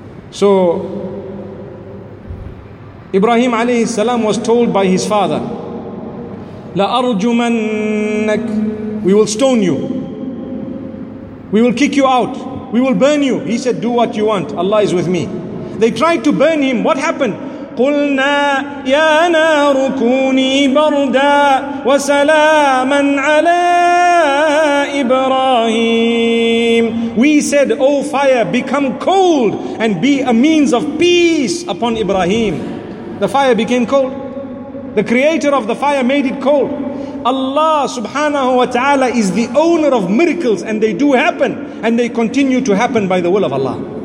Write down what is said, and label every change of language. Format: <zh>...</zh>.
<en>So, Ibrahim alayhi salam was told by his father,</en> <ar>لَأَرْجُمَنَّكَ.</ar> <en>We will stone you. We will kick you out. We will burn you. He said, do what you want. Allah is with me. They tried to burn him. What happened?</en> <ar>قلنا يا نار كوني بردا وسلاما على إبراهيم.</ar> <en>We said, O fire, become cold and be a means of peace upon Ibrahim. The fire became cold. The creator of the fire made it cold. Allah subhanahu wa ta'ala is the owner of miracles, and they do happen, and they continue to happen by the will of Allah.</en>